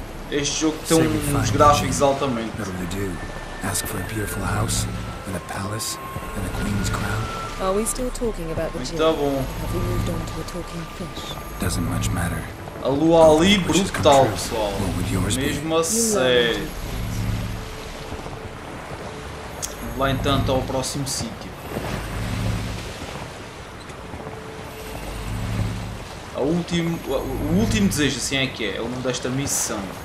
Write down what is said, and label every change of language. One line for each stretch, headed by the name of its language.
Portuguese: Este jogo tem uns gráficos altamente.
English: What do they do? Ask for a beautiful house, and a palace, and a queen's crown? Are we still talking about the gym? Have we moved on to a talking fish? Doesn't much matter.
Portuguese: A lua ali, brutal pessoal. Mesmo assim. Lá então ao próximo sítio. O último desejo, assim é que é, o nome desta missão.